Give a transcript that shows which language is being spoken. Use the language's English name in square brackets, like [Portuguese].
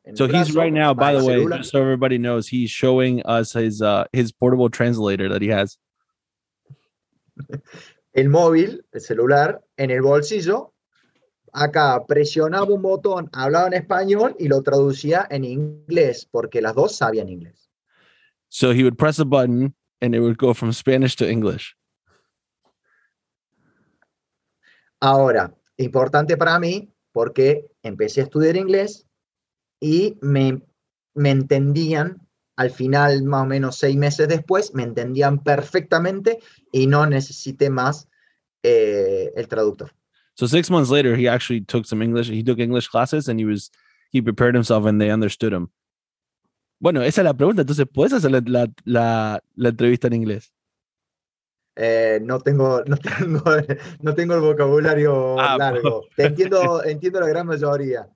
[English] en so el he's brazo, right now, by the way, just so everybody knows, he's showing us his portable translator that he has. [Spanish] El móvil, el celular, en el bolsillo. Acá presionaba un botón, hablaba en español y lo traducía en inglés, porque las dos sabían inglés. [English] So he would press a button and it would go from Spanish to English. [Spanish] Ahora, importante para mí, porque empecé a estudiar inglés y me entendían al final, más o menos 6 meses después, me entendían perfectamente y no necesité más el traductor. [English] So 6 months later, he actually took some English. He took English classes and he prepared himself and they understood him. [Spanish] Bueno, esa es la pregunta. Entonces, ¿puedes hacer la entrevista en inglés? No tengo el vocabulario largo. Entiendo la gran mayoría.